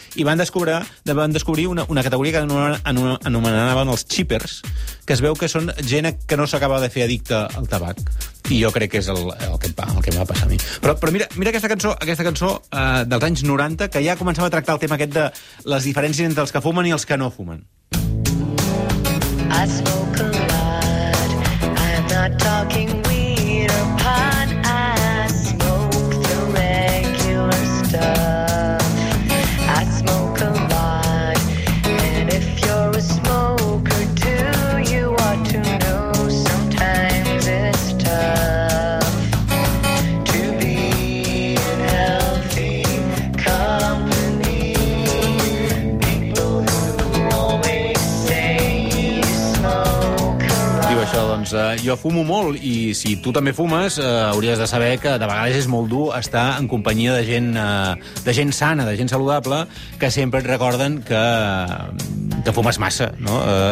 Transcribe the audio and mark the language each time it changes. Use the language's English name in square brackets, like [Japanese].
[Catalan] I van descobrir una categoria que anomenaven els chippers, que es veu que són gent que no s'acaba de fer addicte al tabac. I jo crec que és el que em va passar a mi. Però mira aquesta cançó dels anys 90, que ja començava a tractar el tema aquest de les diferències entre els que fumen i els que no fumen. [English] I smoke a lot, I'm not talking weed or pot, I smoke the regular stuff. I smoke a lot, and if you're a smoker too, you ought to know sometimes it's tough to be in healthy company. People who always say you smoke a lot. [Catalan] Diu això, doncs, jo fumo molt, i si tu també fumes, hauries de saber que de vegades és molt dur estar en companyia de gent sana, de gent saludable, que sempre et recorden que fumes massa, no?